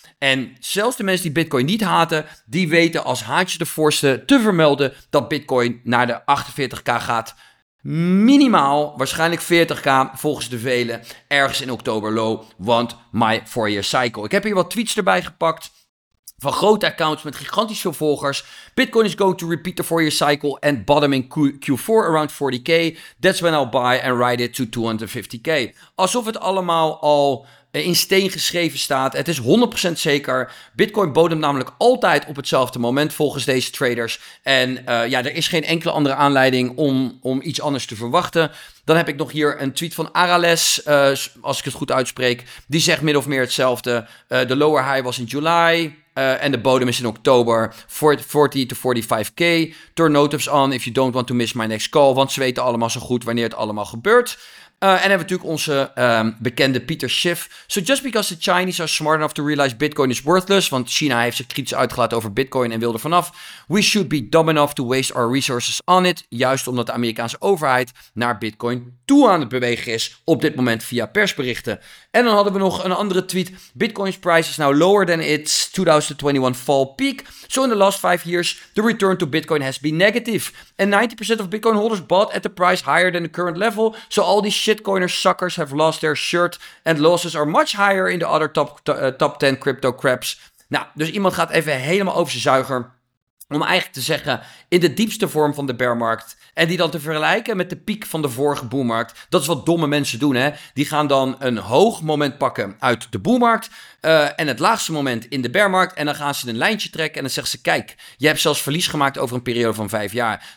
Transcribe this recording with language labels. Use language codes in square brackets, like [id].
[nl] En zelfs de mensen die Bitcoin niet haten, die weten als haantje de voorste te vermelden dat Bitcoin naar de 48k gaat. Minimaal, waarschijnlijk 40k volgens de velen, ergens in oktober low, want my four-year cycle. Ik heb hier wat tweets erbij gepakt van grote accounts met gigantisch veel volgers. [en] Bitcoin is going to repeat the four-year cycle and bottom in Q4 around 40k. That's when I'll buy and ride it to 250k. [nl] Alsof het allemaal al in steen geschreven staat. Het is 100% zeker. Bitcoin bodem namelijk altijd op hetzelfde moment volgens deze traders. En ja, er is geen enkele andere aanleiding om iets anders te verwachten. Dan heb ik nog hier een tweet van Arales, als ik het goed uitspreek. Die zegt min of meer hetzelfde. De lower high was in juli. En de bodem is in oktober, 40 to 45k. [en] Turn notifs on if you don't want to miss my next call. [nl] Want ze weten allemaal zo goed wanneer het allemaal gebeurt. En hebben we natuurlijk onze bekende Peter Schiff. [en] So just because the Chinese are smart enough to realize Bitcoin is worthless, [nl] want China heeft zich kritisch uitgelaten over Bitcoin en wil er vanaf, [en] we should be dumb enough to waste our resources on it, [nl] juist omdat de Amerikaanse overheid naar Bitcoin toe aan het bewegen is, op dit moment via persberichten. En dan hadden we nog een andere tweet, [en] Bitcoin's price is now lower than its 2021 fall peak, so in the last 5 years, the return to Bitcoin has been negative. And 90% of Bitcoin holders bought at the price higher than the current level, so all these shitcoiners suckers have lost their shirt and losses are much higher in the other top 10 crypto craps. [nl] Nou, dus iemand gaat even helemaal over zijn zuiger om eigenlijk te zeggen in de diepste vorm van de bear market en die dan te vergelijken met de piek van de vorige boommarkt. Dat is wat domme mensen doen, hè. Die gaan dan een hoog moment pakken uit de boommarkt en het laagste moment in de bear market en dan gaan ze een lijntje trekken en dan zeggen ze, kijk, je hebt zelfs verlies gemaakt over een periode van 5 jaar.